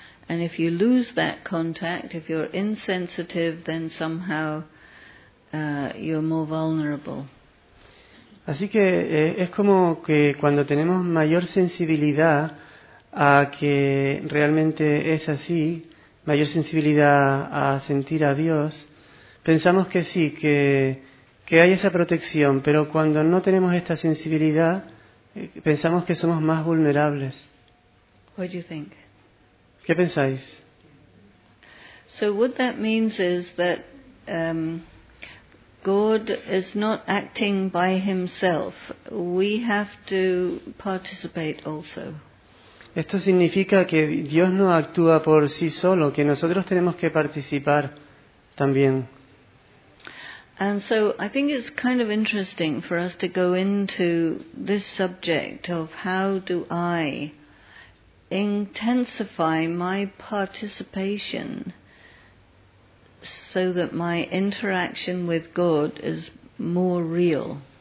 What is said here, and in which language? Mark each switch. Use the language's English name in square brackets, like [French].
[English] And if you lose that contact, if you're insensitive, then somehow you're more vulnerable. [Spanish] Así que es como que cuando tenemos mayor sensibilidad a que realmente es así, mayor sensibilidad a sentir a Dios, pensamos que sí, que hay esa protección, pero cuando no tenemos esta sensibilidad, pensamos que somos más vulnerables. [English] What do you think? [Spanish] ¿Qué pensáis? [English] So what that means is that God is not acting by himself. We have to participate also. [Spanish] Esto significa que Dios no actúa por sí solo, que nosotros tenemos que participar también. [English] And so I think it's kind of interesting for us to go into this subject of how do I intensify my participation so that my interaction with God is more real.